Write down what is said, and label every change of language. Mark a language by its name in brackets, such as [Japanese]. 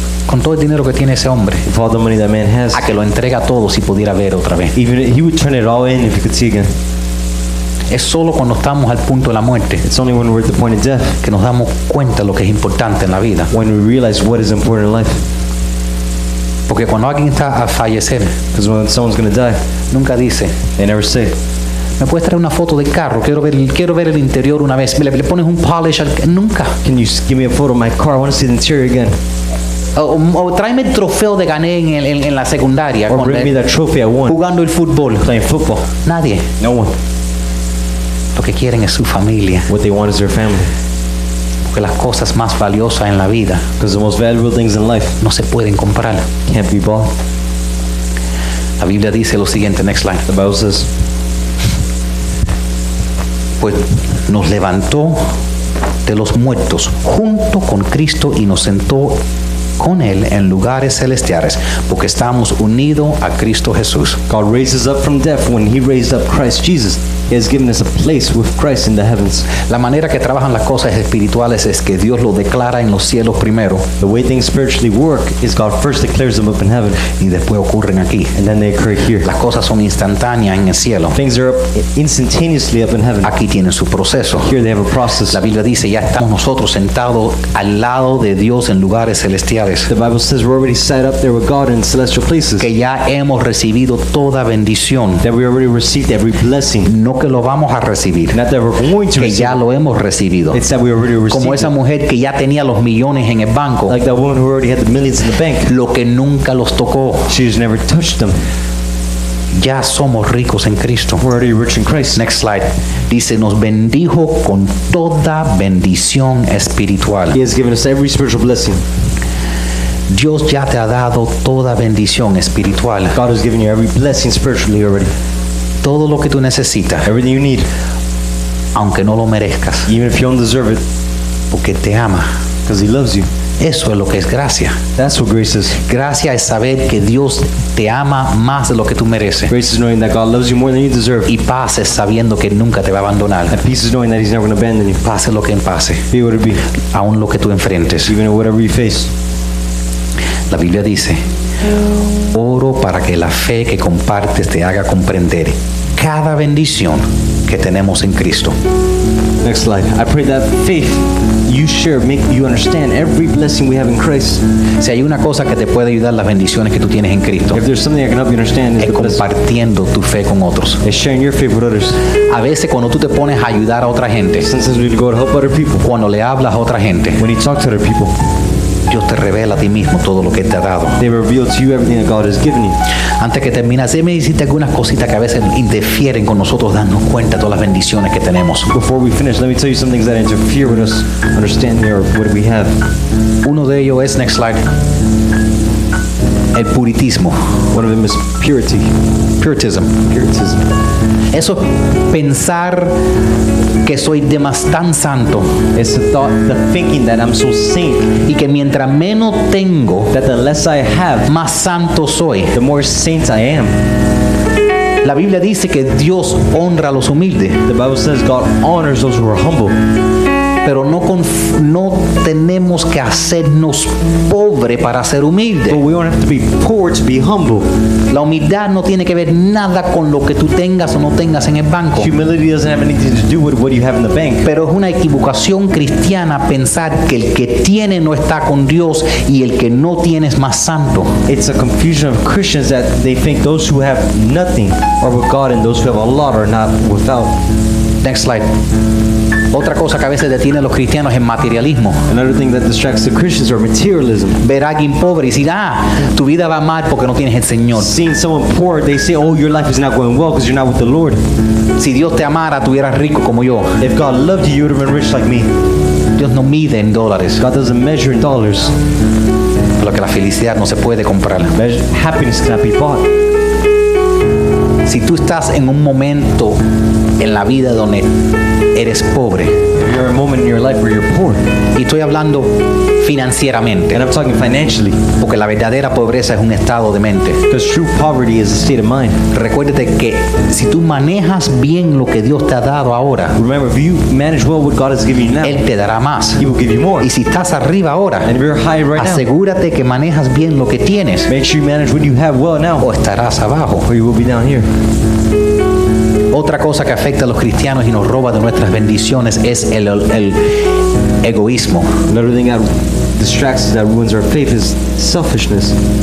[Spanish] Con todo el dinero que tiene ese hombre. [English] With all the money that man has. [Spanish] A que lo entrega todo si pudiera ver otra vez. [English] Even he would turn it all in if he could see again. [Spanish] Es solo cuando estamos al punto de la muerte. [English] It's only when we're at the point of death. [Spanish] Que nos damos cuenta lo que es importante en la vida. [English] When we realize what is important in life. [Spanish] Porque cuando alguien está a fallecer. [English] Because when someone's going to die. [Spanish] Nunca dice. [English] They never say. [Spanish] Me puedes traer una foto del carro. Quiero ver el interior una vez. Le pones un polish. Nunca. [English] Can you give me a photo of my car? I want to see the interior again. [Spanish] O tráeme el trofeo de gané en la secundaria. [English] Or bring me that trophy I won. [Spanish] Jugando el fútbol. [English] Playing football. [Spanish] Nadie. [English] No one. [Spanish] Lo que quieren es su familia. [English] What they want is their family. [Spanish] Porque las cosas más valiosas en la vida. [English] Because the most valuable things in life. [Spanish] No se pueden comprar. [English] Can't be bought. [Spanish] La Biblia dice lo siguiente. [English] Next slide. The Bible says. [Spanish] Pues nos levantó de los muertos junto con Cristo y nos sentó con él en lugares celestiales, porque estamos unidos a Cristo Jesús. [English] God raises up from death when he raised up Christ Jesus. He has given us a place with Christ in the heavens. [Spanish] La manera que trabajan las cosas espirituales es que Dios lo declara en los cielos primero. [English] The way things spiritually work is God first declares them up in heaven. [Spanish] Y después ocurren aquí. [English] And then they occur here. [Spanish] Las cosas son instantáneas en el cielo. [English] Things are instantaneously up in heaven. [Spanish] Aquí tienen su proceso. [English] Here they have a process. [Spanish] La Biblia dice, ya estamos nosotros sentados al lado de Dios en lugares celestiales. [English] The Bible says we're already set up there with God in celestial places. [Spanish] Que ya hemos recibido toda bendición. [English] That we already received every blessing. [Spanish] No que lo vamos a recibir, [English] not that we're going to [Spanish] que [English] receive. [Spanish] Ya lo hemos recibido. [English] It's that we already received. [Spanish] Como esa mujer que ya tenía los millones en el banco, [English] like that woman who already had the millions in the bank. [Spanish] Lo que nunca los tocó, [English] she's never touched them. [Spanish] Ya somos ricos en Cristo. [English] We're already rich in Christ. Next slide. [Spanish] Dice, nos bendijo con toda bendición espiritual. [English] He has given us every spiritual blessing. [Spanish] Dios ya te ha dado toda bendición espiritual. [English] God has given you every blessing spiritually already. [Spanish] Todo lo que tú necesitas. [English] Everything you need. [Spanish] Aunque no lo merezcas. [English] Even if you don't deserve it. [Spanish] Porque te ama. [English] Because he loves you. [Spanish] Eso es lo que es gracia. [English] That's what grace is. [Spanish] Gracia es saber que Dios te ama más de lo que tú mereces. [English] Grace is knowing that God loves you more than you deserve. [Spanish] Y paz es sabiendo que nunca te va a abandonar. [English] And peace is knowing that he's never going to abandon you. [Spanish] Pase lo que pase. [English] Be what it be. [Spanish] Aún lo que tú enfrentes. [English] Even whatever you face. [Spanish] La Biblia dice, oro para que la fe que compartes te haga comprender cada bendición que tenemos en Cristo. [English] Next slide. I pray that faith you share make you understand every blessing we have in Christ. [Spanish] Si hay una cosa que te puede ayudar, las bendiciones que tú tienes en Cristo. [English] If there's something I can help you understand, [Spanish] es compartiendo tu fe con otros. [English] It's sharing your faith with others. [Spanish] A veces cuando tú te pones a ayudar a otra gente. [English] Sometimes we go to help other people. [Spanish] Cuando le hablas a otra gente. [English] When you talk to other people. [Spanish] Dios te revela a ti mismo todo lo que te ha dado. [English] They reveal to you everything that God has given you. [Spanish] Antes que terminas, déjame decirte algunas cositas que a veces interfieren con nosotros darnos cuenta de todas las bendiciones que tenemos. [English] Before we finish, let me tell you some things that interfere with us understanding what we have. [Spanish] Uno de ellos es, [English] next slide, [Spanish] el puritismo. [English] One of them is purity. Puritism. Puritism. [Spanish] Eso pensar que soy demasiado santo. [English] It's the thought, the thinking that I'm so saint. [Spanish] Y que mientras menos tengo, [English] that the less I have, [Spanish] más santo soy. [English] The more saint I am. [Spanish] La Biblia dice que Dios honra a los humildes. [English] The Bible says God honors those who are humble. [Spanish] Pero no tenemos que hacernos pobre para ser humilde. [English] But we don't have to be poor to be humble. [Spanish] La humildad no tiene que ver nada con lo que tú tengas o no tengas en el banco. [English] Humility doesn't have anything to do with what you have in the bank. [Spanish] Pero es una equivocación cristiana pensar que el que tiene no está con Dios y el que no tiene es más santo. [English] It's a confusion of Christians that they think those who have nothing are with God and those who have a lot are not without. Next slide. [Spanish] Otra cosa que a veces detiene a los cristianos es materialismo. [English] Another thing that distracts the Christians are materialism. [Spanish] Ver a alguien pobre y decir, ah, tu vida va mal porque no tienes el Señor. [English] Seeing someone poor, they say, oh, your life is not going well because you're not with the Lord. [Spanish] Si Dios te amara, tú eras rico como yo. [English] If God loved you, you would have been rich like me. [Spanish] Dios no mide en dólares. [English] God doesn't measure in dollars. [Spanish] Lo que la felicidad no se puede comprar. [English] Happiness cannot be bought. [Spanish] Si tú estás en un momento en la vida donde eres pobre. [English] You're a moment in your life where you're poor. [Spanish] Y estoy hablando financieramente. [English] And I'm talking financially. [Spanish] Porque la verdadera pobreza es un estado de mente. [English] Because true poverty is a state of mind. [Spanish] Recuérdate que si tú manejas bien lo que Dios te ha dado ahora. [English] Remember, if you manage well what God has given you now. [Spanish] Él te dará más. [English] He will give you more. [Spanish] Y si estás arriba ahora. [English] And if you're high right [Spanish] asegúrate [English] now, [Spanish] que manejas bien lo que tienes. [English] Make sure you manage what you have well now. [Spanish] O estarás abajo. [English] Or you will be down here. [Spanish] Otra cosa que afecta a los cristianos y nos roba de nuestras bendiciones es el egoísmo. [English] Another thing that distracts us, that ruins our faith, is selfishness.